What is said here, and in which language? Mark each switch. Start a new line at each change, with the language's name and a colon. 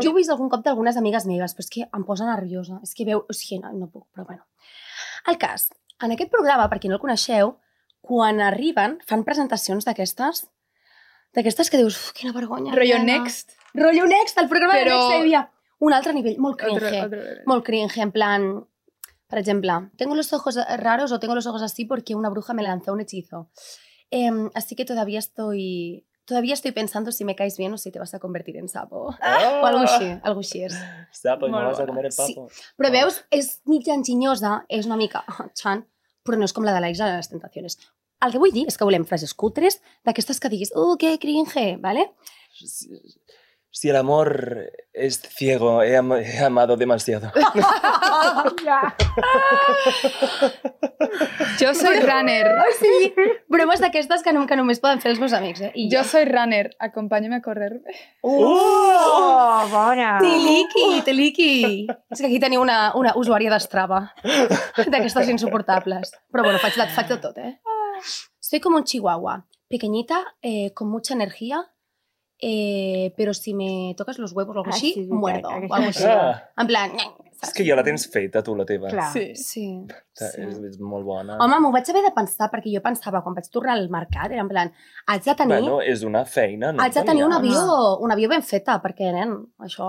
Catalan: Jo he vist algun cop d'algunes amigues meves, però és que em posa nerviosa. És que veu... O sigui, no puc, però bueno. El cas, en aquest programa, per qui no el coneixeu, quan arriben, fan presentacions d'aquestes que dius, quina vergonya. Rollo Next, el programa però... de Next. Un altre nivell, molt cringe. Molt cringe, en plan, per exemple,
Spanish: tengo los ojos raros o tengo los ojos así porque una bruja me lanzó un hechizo. Así que todavía estoy pensando si me caes bien o si te vas a convertir en sapo.
Catalan: Oh. O algo així.
Spanish: Sapo, no vas a comer el papo.
Catalan: Sí. Però veus, és mitja enginyosa, és una mica xan. Però no és com la de l'Isla de les Tentacions. El que vull dir és que volem frases cutres d'aquestes que diguis, que cringe, ¿vale?
Spanish: Si el amor es ciego, he amado demasiado. Jo soy runner.
Catalan: O sigui, bromes d'aquestes que només poden fer els meus amics, eh?
Spanish: Jo soy runner, acompáñame a correr.
Catalan: Bona! Tiliqui! És que aquí teniu una usuària d'Strava, d'aquestes insuportables. Però bueno, faig de tot, eh?
Spanish: Soy como un chihuahua, pequeñita, con mucha energía...
Catalan: però si me toques
Spanish: los huevos
Catalan: o algo així, sí, muerdo. O algo així. Ah. En plan... És que ja la tens feta, tu, la teva. Clar. Sí. És molt bona. Home, m'ho vaig haver de pensar, perquè jo pensava, quan vaig tornar al mercat, era en plan, haig de tenir... Bueno, és una feina. No haig de tenir un avió ben feta, perquè, nen, això...